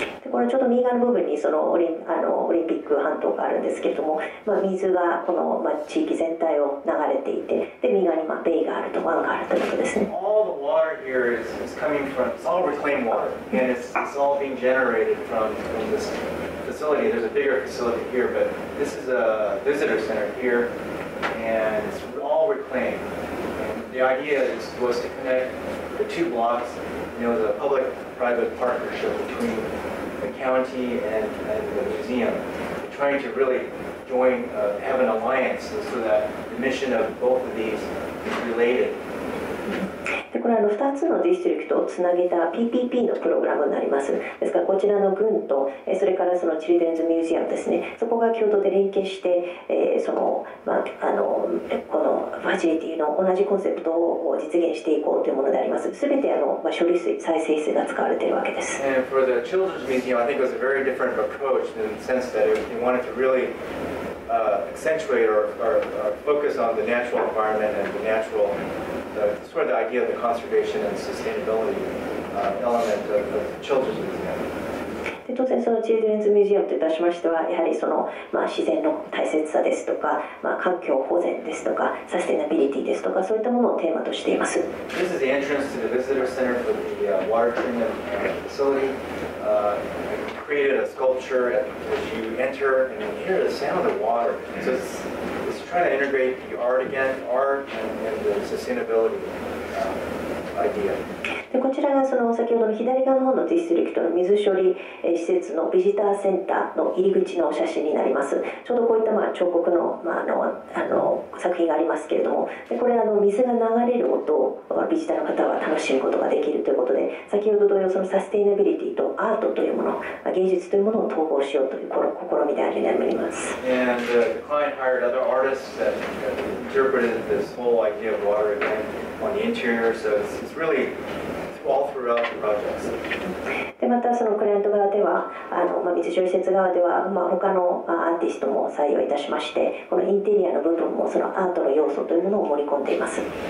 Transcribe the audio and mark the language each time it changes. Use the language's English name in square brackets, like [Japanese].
[Japanese] これちょっと右側の部分にそのオリンピック半島があるんですけれども、まあ、水がこの、まあ、地域全体を流れていてで右側に、まあ、ベイがあると湾があるということですね。 [English] All the water here is coming from, it's all reclaimed water and it's all being generated from this facility. There's a bigger facility here, but this is a visitor center here and it's all reclaimed. And the idea was to connect the two blocks, you know, the public-private partnership between. County and the museum, trying to really join, have an alliance so that the mission of both of these is related. [Japanese] でこれは2つのディストリクトをつなげた PPP のプログラムになります。ですからこちらの軍とそれからそのチルドレンズミュージアムですね、そこが共同で連携して、その、まあ、このファシリティの同じコンセプトを実現していこうというものであります。すべて処理水再生水が使われているわけです。 [English] And for the children's museum, I think it was a very different approach in the sense that you wanted to reallyaccentuate or focus on the natural environment and the naturalsort of the idea of the conservation and sustainability element of the children's museum. [Japanese] で当然そのチルドレンズミュージアムといたしましてはやはりその、まあ、自然の大切さですとか、まあ、環境保全ですとかサステナビリティですとかそういったものをテーマとしています。 [English] This is the entrance to the visitor center for the water treatment facility. I created a sculpture as you enter and you hear the sound of the water. So it's trying to integrate the art again, art and the sustainability idea. [Japanese] でこちらがその先ほどの左側の方のディストリクトの水処理施設のビジターセンターの入り口の写真になります。ちょうどこういったまあ彫刻 の,、まあ、作品がありますけれども、でこれ水が流れる音をビジターの方は楽しむことができるということで、先ほど同様そのサステイナビリティとアートというもの、まあ、芸術というものを統合しようというこの試みであります。 [English] And the client hired other artists that interpreted this whole idea of water again on the interior, so it's really [Japanese] でまたそのクライアント側では水処理施設側では、まあ、他のアーティストも採用いたしまして、このインテリアの部分もそのアートの要素というものを盛り込んでいます。